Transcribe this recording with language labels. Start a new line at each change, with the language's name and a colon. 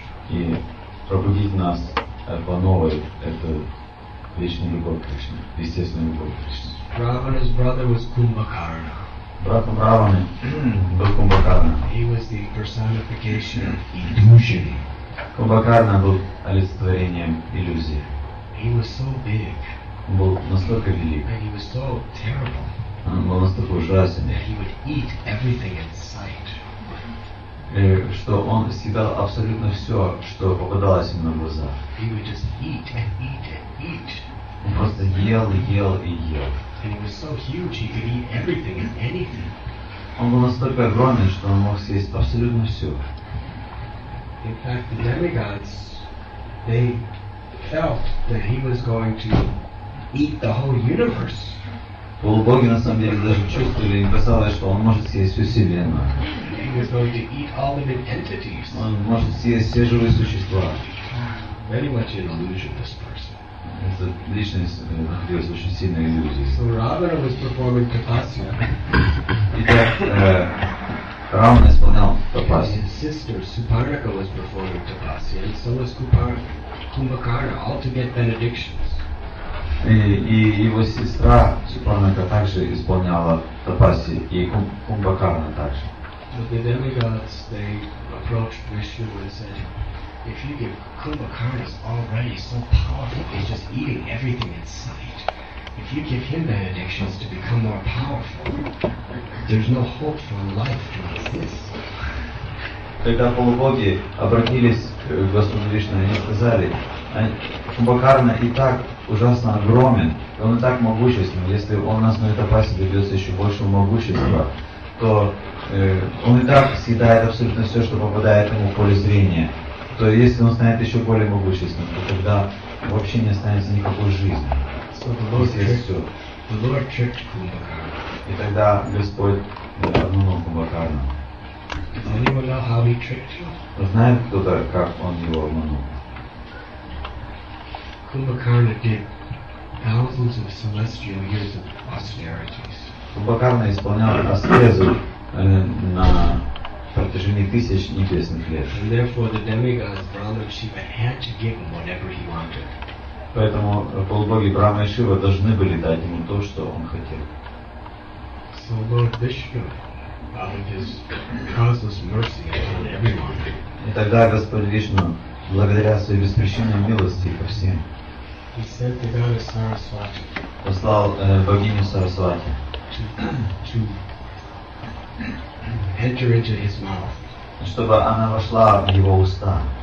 Russian: И пробудить нас по новой, это вечная любовь к Кришне, естественная любовь к Кришне.
English: Рамана's brother was Кумбхакарна.
Russian: Братом Раваны был Кумбхакарна.
English: He was the personification of illusion.
Russian: Кумбхакарна был олицетворением иллюзии.
English: He was so big.
Russian: Он был настолько велик.
English: And he was so terrible.
Russian: Он был настолько ужасен.
English: That he would eat everything in sight.
Russian: Что он съедал абсолютно все, что попадалось ему на глаза.
English: He would just eat and eat and eat.
Russian: Он просто ел, ел и ел.
English: And he was so huge, he could eat everything and anything.
Russian: Он был настолько огромен, что он мог съесть абсолютно все.
English: In fact, the demigods, they felt that he was going to eat the whole universe.
Russian: Полубоги на самом деле даже чувствовали, им казалось, что он может съесть всю вселенную.
English: He was going to eat all living entities.
Russian: Он может съесть все живые существа.
English: Very much an illusion, this person.
Russian: Эта личность находилась в очень сильной иллюзии.
English: So Ravana was performing tapasya.
Russian: Итак, Рамана исполнял тапасию.
English: His sister Suparnika was performing tapasya, and so was Kumbhakarna, all to get benedictions.
Russian: И его сестра Суппарнака также исполняла тапасию, и Кумбхакарна также.
English: So the demigods, they approached Vishnu and said, if you give Kumbhakarna is already so powerful, he's just eating everything in sight. If you give him benedictions to become more powerful, there's no hope for life to exist.
Russian: Когда полубоги обратились к Господу Вишну, они сказали, Кумбхакарна и так ужасно огромен, и он и так могущественен, если он нас на этой пасе добьется еще большего могущества, то он и так съедает абсолютно все, что попадает ему в поле зрения. То если он станет еще более могущественным, то тогда вообще не останется никакой жизни.
English: So the Lord tricked Kumbhakarna.
Russian: И тогда Господь обманул Кумбхакарна.
English: Does anyone know how he tricked him?
Russian: Знает кто-то, как он его обманул?
English: Kumbhakarna did thousands of celestial years of austerities.
Russian: Кумбхакарна исполнял аскезу на протяжении тысяч небесных лет.
English: And therefore the demigods, Brahma and Shiva, had to give him whatever he wanted.
Russian: Поэтому полубоги Брама и Шива должны были дать ему то, что он хотел.
English: So Lord Vishnu, out of his causeless mercy upon everyone.
Russian: И тогда Господь Вишну, благодаря своей беспричинной милости ко всем,
English: he sent the goddess Sarasvati,
Russian: послал богиню Сарасвати,
English: enter into his mouth.
Russian: Чтобы она вошла в его уста.